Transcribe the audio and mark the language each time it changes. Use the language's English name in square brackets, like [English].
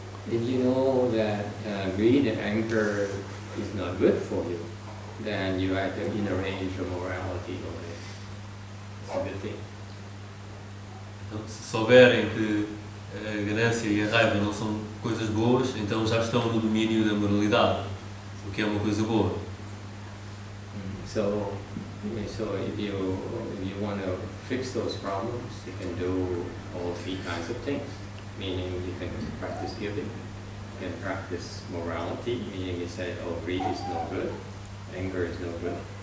[English] If you know that greed and anger is not good for you, then you have to rearrange your morality or it's a good thing. [Portuguese] Então, se souberem que a ganância e a raiva não são coisas boas, então já estão no domínio da moralidade, o que é uma coisa boa. [English] So if you want to fix those problems, you can do all three kinds of things. Meaning you can practice giving, you can practice morality, meaning you say, oh, greed is no good, anger is no good.